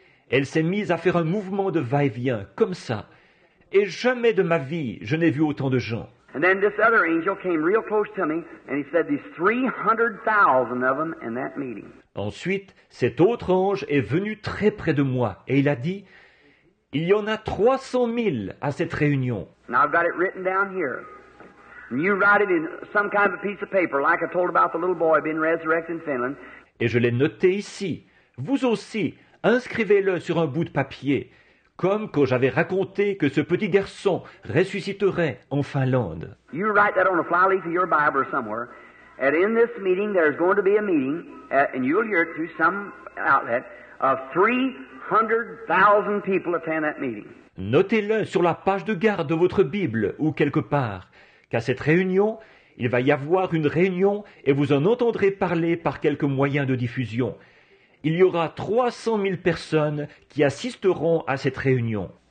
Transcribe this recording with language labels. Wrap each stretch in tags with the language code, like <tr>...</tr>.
<fr>Elle s'est mise à faire un mouvement de va-et-vient, comme ça. Et jamais de ma vie, je n'ai vu autant de gens.</fr> <en>And then this other angel came real close to me, and he said, "There's 300,000 of them in that meeting."</en> <fr>Ensuite, cet autre ange est venu très près de moi, et il a dit, "Il y en a 300,000 à cette réunion."</fr> <en>Now I've got it written down here. And you write it in some kind of a piece of paper, like I told about the little boy being resurrected in Finland.</en> <fr>Et je l'ai noté ici. Vous aussi, inscrivez-le sur un bout de papier. Comme quand j'avais raconté que ce petit garçon ressusciterait en Finlande.</fr> <en>You write that on a flyleaf of your Bible or somewhere. And in this meeting, there's going to be a meeting, and you'll hear it through some outlet, of 300,000 people attend that meeting.</en> <fr>Notez-le sur la page de garde de votre Bible ou quelque part, qu'à cette réunion, il va y avoir une réunion et vous en entendrez parler par quelques moyens de diffusion. Il y aura 300,000 personnes qui assisteront à cette réunion.</fr>